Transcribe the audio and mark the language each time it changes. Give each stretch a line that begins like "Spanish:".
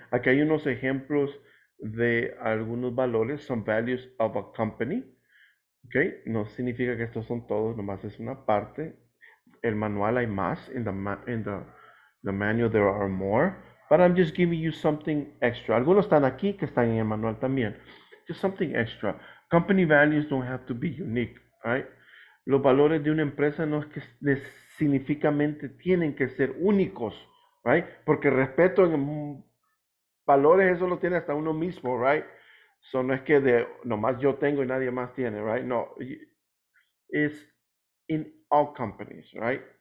Spanish: Aquí hay unos ejemplos de algunos valores,
English: some values of a company,
Spanish: okay? No significa que estos son todos, nomás es una parte. El manual hay más,
English: in the manual there are more, but I'm just giving you something extra.
Spanish: Algunos están aquí que están en el manual también.
English: Just something extra. Company values don't have to be unique, right?
Spanish: Los valores de una empresa no es que significamente tienen que ser únicos, right? Porque respeto en valores, eso lo tiene hasta uno mismo, right? So no es que de nomás yo tengo y nadie más tiene, right?
English: No, it's in all companies,
Spanish: right?